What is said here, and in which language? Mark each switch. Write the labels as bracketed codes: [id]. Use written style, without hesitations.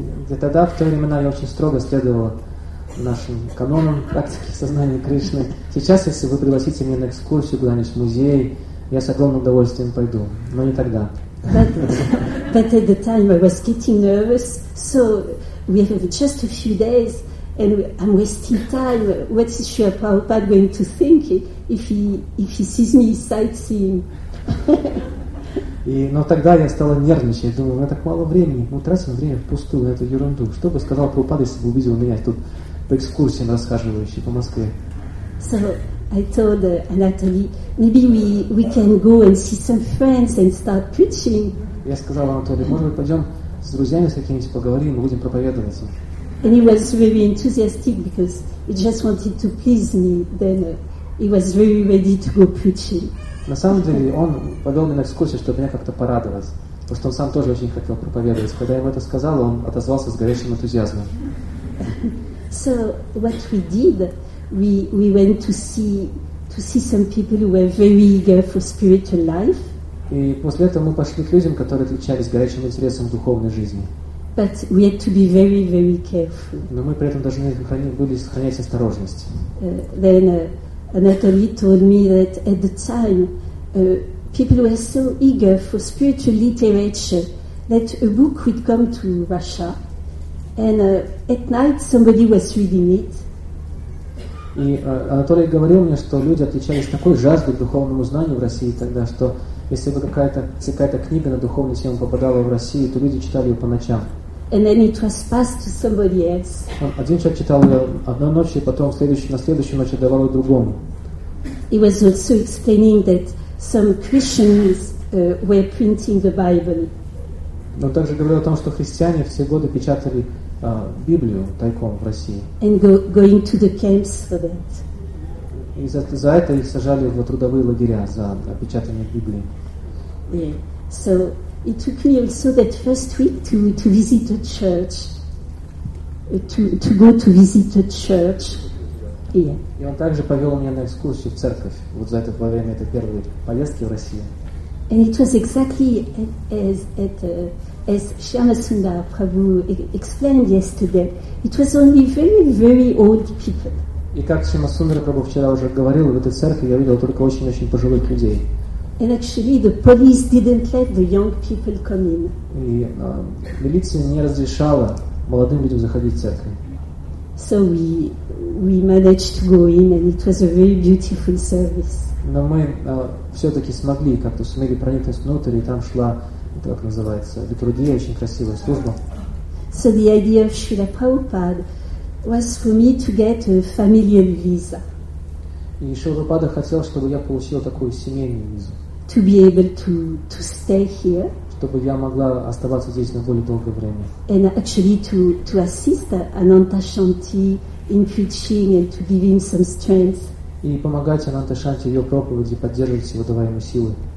[ru] И тогда в то время я очень строго следовала нашим канонам практики сознания Кришны. Сейчас, если вы пригласите меня на экскурсию куда-нибудь в музей, я с огромным удовольствием пойду, но не тогда. [en] But at the time I was getting nervous, so we have just a few days, and I'm wasting time. What is Srila Prabhupada going to think if he sees me sightseeing? [ru] Но тогда я стала нервничать, думаю, мы так мало времени, мы тратим время впустую на эту ерунду. Что бы сказал Прабхупада, если бы увидел меня тут по экскурсиям расхаживающей по Москве? [en] So, I told Anatoly, maybe we can go and see some friends and start preaching. [ru] Я сказал Анатоли, может быть, пойдем с друзьями с какими-нибудь поговорим, мы будем проповедовать. [en] And he was very enthusiastic because he just wanted to please me. Then he was really ready to go preaching. [ru] На самом деле, он повел меня в экскурсию, чтобы меня как-то порадовать, потому что он сам тоже очень хотел проповедовать. Когда я ему это сказал, он отозвался с горячим энтузиазмом. [en] So what we did, we went to see some people who were very eager for spiritual life. [ru] И после этого мы пошли к людям, которые отличались горячим интересом к духовной жизни. [en] But we had to be very, very careful. [ru] Но мы при этом должны были сохранять осторожность. [en] Then Anatoly told me that at the time people were so eager for spiritual literature that a book would come to Russia, and at night somebody was reading it. [ru] И Анатолий говорил мне, что люди отличались такой жаждой к духовному знанию в России тогда, что если бы какая-то книга на духовную тему попадала в Россию, то люди читали ее по ночам. [en] And then it was passed to somebody else. [ru] Один человек читал ее одну ночь, и потом на следующую ночь отдавал ее другому. [en] He was also explaining that some Christians were printing the Bible. [ru] Он также говорил о том, что христиане все годы печатали Библию тайком в России. [en] And going to the camps for that. [ru] И за это их сажали в трудовые лагеря за опечатание Библии. [en] Yeah. So it took me also that first week to visit a church, to go to visit a church. Yeah. [ru] И он также повел меня на экскурсию в церковь вот за это во время этой первой поездки в Россию. [en] And it was exactly as Shyamasundara Prabhu explained yesterday. It was only very, very old people. [ru] И как Шримасундара Прабху вчера уже говорил, в этой церкви я видел только очень-очень пожилых людей. [en] And actually the police didn't let the young people come in. [ru] И милиция не разрешала молодым людям заходить в церковь. [en] So we managed to go in, and it was a very beautiful service. [ru] Но мы все-таки смогли, как-то сумели проникнуть внутрь, и там шла, как называется, литургия, очень красивая служба. [en] So the idea of Srila Prabhupada was for me to get a familial visa. [ru] И Шрила Прабхупада хотел, чтобы я получила такую семейную визу. [en] To be able to stay here. [ru] Чтобы я могла оставаться здесь на более долгое время. [en] And actually to assist Ananta Shanti in preaching and to give him some strength. [ru] И помогать Ананта Шанти в ее проповеди, поддерживать его, давая ему силы.